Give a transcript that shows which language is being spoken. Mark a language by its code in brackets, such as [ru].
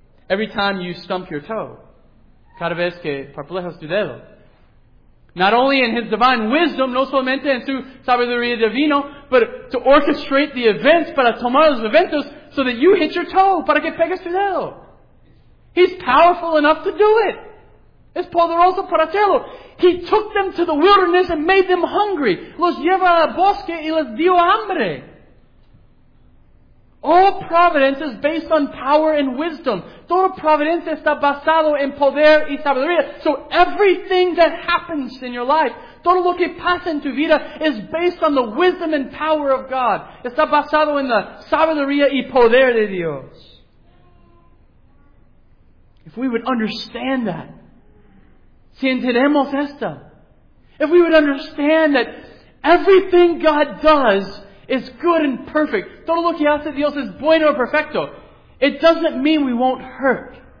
[en] Every time you stump your toe, [es] cada vez que parpelejas tu dedo, [en] not only in His divine wisdom, [es] no solamente en su sabiduría divino, [en] but to orchestrate the events, [es] para tomar los eventos, [en] so that you hit your toe, [es] para que pegues tu dedo. [en] He's powerful enough to do it. [es] Es poderoso para hacerlo. [en] He took them to the wilderness and made them hungry. [es] Los lleva al bosque y les dio hambre. [en] All providence is based on power and wisdom. [es] Toda providencia está basado en poder y sabiduría. [en] So everything that happens in your life, [es] todo lo que pasa en tu vida, [en] is based on the wisdom and power of God. [es] Está basado en la sabiduría y poder de Dios. [en] If we would understand that, [es] si entendemos esta, [en] if we would understand that everything God does is good and perfect, [es] todo lo que hace Dios es bueno y perfecto, [en] it doesn't mean we won't hurt.